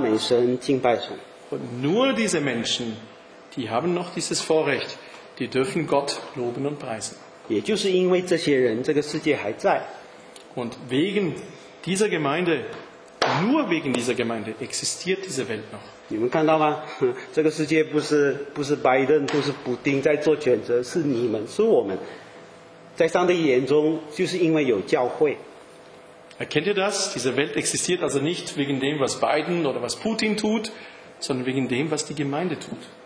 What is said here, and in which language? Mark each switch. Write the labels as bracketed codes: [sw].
[de] Und nur diese Menschen, die haben noch dieses Vorrecht, die dürfen Gott loben und preisen. Und wegen dieser Gemeinde, nur wegen dieser Gemeinde, existiert diese Welt noch. [zh] 你们看到吗? 这个世界不是Biden, 不是布丁在做选择, 是你们, 是我们。在上帝眼中, 就是因为有教会。 [de] Erkennt ihr das? Diese Welt existiert also nicht wegen dem, was Biden oder was Putin tut, sondern wegen dem, was die Gemeinde tut.